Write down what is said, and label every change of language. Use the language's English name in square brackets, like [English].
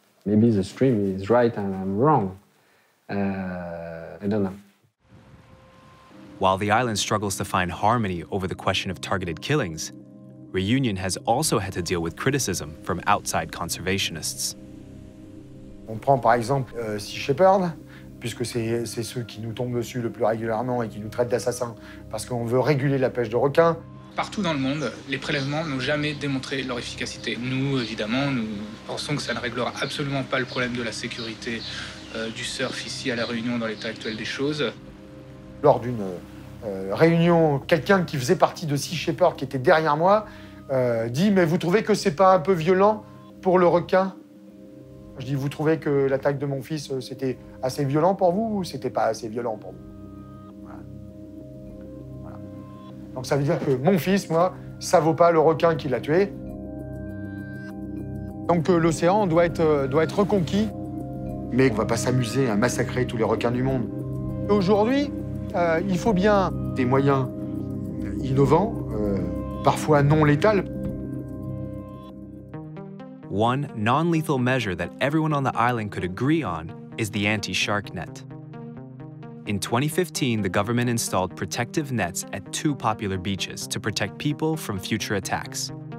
[English] Maybe the stream is right and I'm wrong. I don't know. While the island struggles to find harmony over the question of targeted killings, Réunion has also had to deal with criticism from outside conservationists. [French] On prend par exemple Sea Shepherd, puisque c'est ceux qui nous tombent dessus le plus régulièrement et qui nous traitent d'assassins parce qu'on veut réguler la pêche de requins. Partout dans le monde, les prélèvements n'ont jamais démontré leur efficacité. Nous, évidemment, nous pensons que ça ne réglera absolument pas le problème de la sécurité du surf ici à La Réunion dans l'état actuel des choses. Lors d'une réunion, quelqu'un qui faisait partie de Sea Shepherd, qui était derrière moi, dit « Mais vous trouvez que c'est pas un peu violent pour le requin ?» Je dis « Vous trouvez que l'attaque de mon fils, c'était assez violent pour vous ou c'était pas assez violent pour vous ?» Donc ça veut dire que mon fils, moi, ça vaut pas le requin qui l'a tué. Donc l'océan doit être reconquis. Mais on va pas s'amuser à massacrer tous les requins du monde. Aujourd'hui, il faut bien des moyens innovants, parfois non létales. [English] One non-lethal measure that everyone on the island could agree on is the anti-shark net. In 2015, the government installed protective nets at two popular beaches to protect people from future attacks.